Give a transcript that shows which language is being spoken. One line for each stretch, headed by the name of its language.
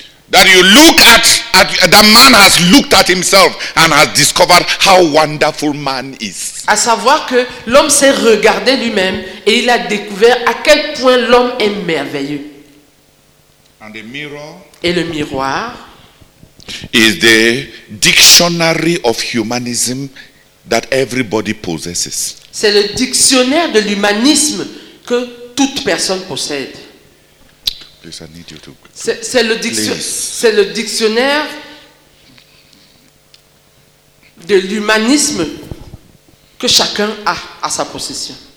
English: That you look at that man has looked at himself and has discovered how wonderful man is.
French: À savoir que l'homme s'est regardé lui-même et il a découvert à quel point l'homme est merveilleux.
English: And the mirror.
French: Et le miroir.
English: Is the dictionary of humanism that everybody possesses.
French: C'est le dictionnaire de l'humanisme que toute personne possède.
English: Please, I need you to.
French: C'est le dictionnaire de l'humanisme que chacun a à sa possession.